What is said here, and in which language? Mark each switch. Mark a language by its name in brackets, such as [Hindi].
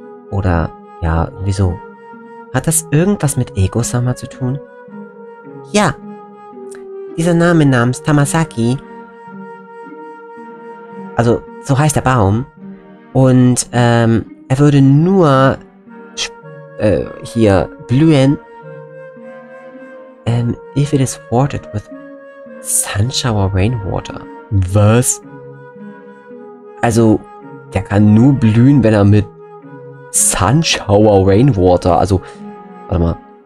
[German] Oder ja, wieso? Hat das irgendwas mit Ego-sama zu tun? Ja. Dieser Name namens Tamasaki. Also, so heißt der Baum. Und er würde nur hier blühen. [English] If it is watered with sunshower rainwater. [German] Was? Also, der kann nur blühen, wenn er mit [English] sunshower rainwater. [German] Also, warte mal.